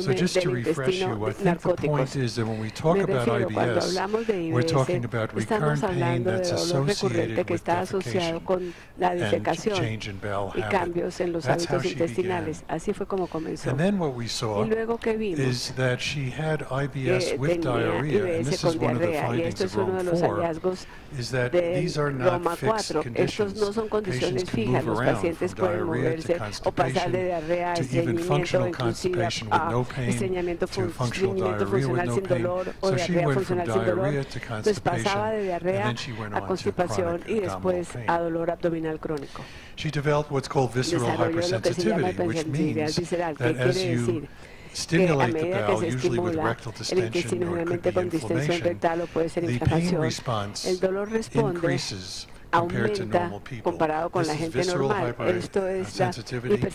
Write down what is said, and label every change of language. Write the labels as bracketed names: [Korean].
[English] So just to refresh you, I think the point is that when we talk about IBS, we're talking about recurrent pain that's associated with defecation and change in bowel habits. That's how she began. And then what we saw is that she had IBS with diarrhea, and this is one of the findings of Rome 4, is that these are not [Spanish] estos no son condiciones fijas. Los pacientes pueden moverse o pasar de diarrea a estreñimiento, inclusive a estreñimiento funcional sin dolor o diarrea funcional sin dolor. Entonces pasaba de diarrea a constipación y después a dolor abdominal crónico. [English] She developed what's called visceral hypersensitivity, which means that as you stimulate the bowel, usually with rectal distension or it could be inflammation, the pain response increases compared to normal people. This is visceral normal. Hypersensitivity